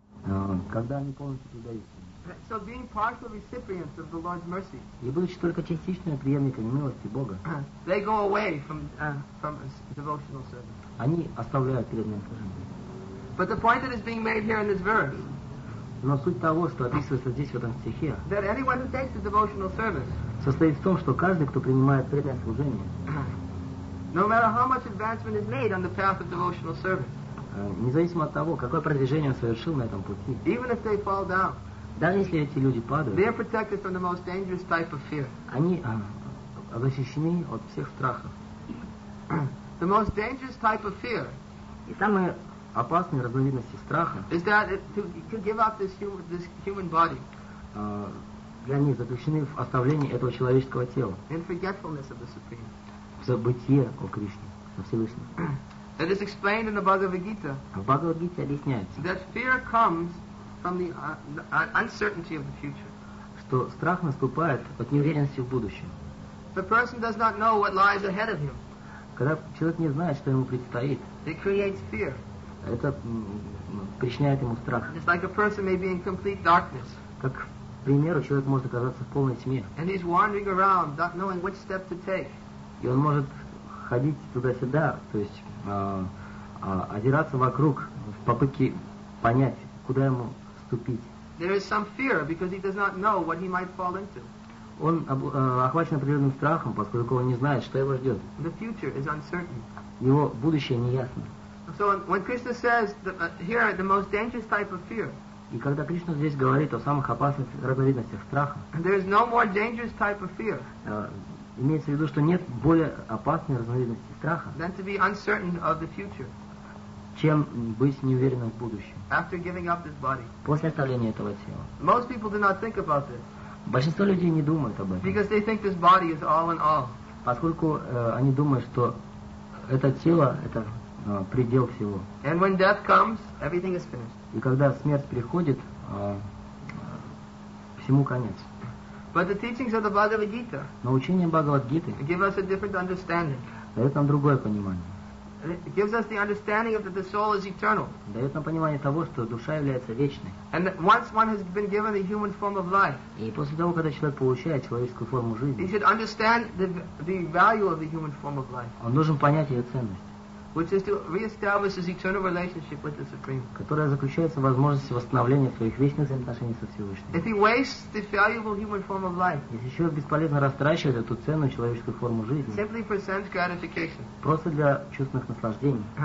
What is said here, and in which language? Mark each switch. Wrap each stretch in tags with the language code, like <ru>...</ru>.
<ru>никогда не полностью предаются.</ru> <en>So being partial recipients of the Lord's mercy.</en> <ru>И будучи только частичными преемниками милости Бога.</ru> <en>They go away from devotional service.</en> <ru>Они оставляют преданное служение.</ru> <en>But the point that is being made here in this verse.</en> <ru>Но суть того, что описывается здесь в этом стихе.</ru> <en>That anyone who takes the devotional service.</en> <ru>Состоит в том, что каждый, кто принимает преданное служение.</ru> <en>No matter how much advancement is made on the path of devotional service.</en> <ru>Независимо от того, какое продвижение он совершил на этом пути.</ru> <en>Even if they fall down.</en> <ru>Даже если эти люди падают,</ru> <en>they are protected from the most dangerous type of fear.</en> <ru>Они защищены от всех страхов.</ru> <en>The most dangerous type of fear.</en> <ru>И самые опасные разновидности страха.</ru> <en>Is that to give up this human body?</en> <ru>Для них заключены в оставлении этого человеческого тела.</ru> <en>In forgetfulness of the Supreme.</en> <ru>В забытье о Кришне, о Всевышнем.</ru> <en>It is explained in the Bhagavad Gita.</en> <ru>В Бхагавад Гите объясняется.</ru> <en>That fear comes from the uncertainty of the future.</en> <ru>Что страх наступает от неуверенности в будущем.</ru> <en>The person does not know what lies ahead of him.</en> <ru>Когда человек не знает, что ему предстоит.</ru> <en>It creates fear.</en> <ru>Это причиняет ему страх.</ru> <en>It's like a person may be in complete darkness.</en> <ru>Как, к примеру, человек может оказаться в полной тьме.</ru> <en>And he's wandering around, not knowing which step to take.</en> <ru>И он может ходить туда-сюда, то есть озираться вокруг в попытке понять, куда ему ступить.</ru> <en>There is some fear because he does not know what he might fall into.</en> <ru>Он охвачен определенным страхом, поскольку он не знает, что его ждет.</ru> <en>The future is uncertain.</en> <ru>Его будущее неясно.</ru> <en>So when Krishna says here the most dangerous type of fear.</en> <ru>И когда Кришна здесь говорит о самых опасных разновидностях страха.</ru> <en>There is no more dangerous type of fear.</en> <ru>Имеется в виду, что нет более опасной разновидности страха.</ru> <en>Than to be uncertain of the future.</en> <ru>Чем быть неуверенным в будущем.</ru> <en>After giving up this body.</en> <ru>После оставления этого тела.</ru> <en>Most people do not think about this.</en> <ru>Большинство людей не думают об этом.</ru> <en>Because they think this body is all in all.</en> <ru>Поскольку они думают, что это тело – это предел всего.</ru> <en>And when death comes, everything is finished.</en> <ru>И когда смерть приходит, всему конец.</ru> <en>But the teachings of the Bhagavad Gita.</en> <ru>Но учение Бхагавад-гиты.</ru> <en>Give us a different understanding.</en> <ru>Дает нам другое понимание.</ru> <en>It gives us the understanding of that the soul is eternal.</en> <ru>Дает нам понимание того, что душа является вечной.</ru> <en>And once one has been given the human form of life.</en> <ru>И после того, когда человек получает человеческую форму жизни.</ru> <en>He should understand the value of the human form of life.</en> <ru>Он должен понять ее ценность.</ru> <en>Which is to reestablish his eternal relationship with the Supreme.</en> <ru>Которая заключается в возможности восстановления своих вечных взаимоотношений со Всевышним.</ru> <en>If he wastes the valuable human form of life.</en> <ru>Если человек бесполезно растрачивает эту ценную человеческую форму жизни.</ru> <en>Simply for sense gratification.</en> <ru>Просто для чувственных наслаждений.</ru>